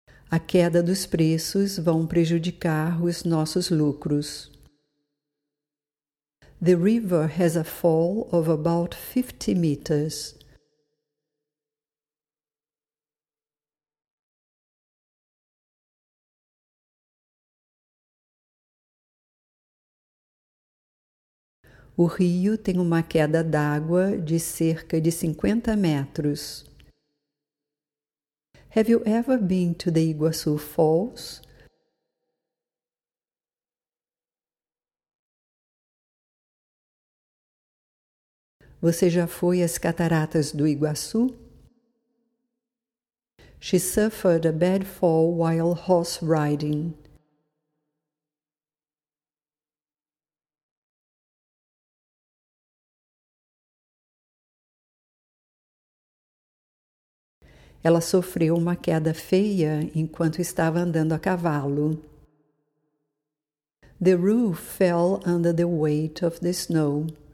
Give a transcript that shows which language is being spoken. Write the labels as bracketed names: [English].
[Portuguese] A queda dos preços vão prejudicar os nossos lucros. [English] The river has a fall of about 50 meters. [Portuguese] O rio tem uma queda d'água de cerca de 50 metros. [English] Have you ever been to the Iguaçu Falls? [Portuguese] Você já foi às Cataratas do Iguaçu? [English] She suffered a bad fall while horse riding. [Portuguese] Ela sofreu uma queda feia enquanto estava andando a cavalo. [English] The roof fell under the weight of the snow.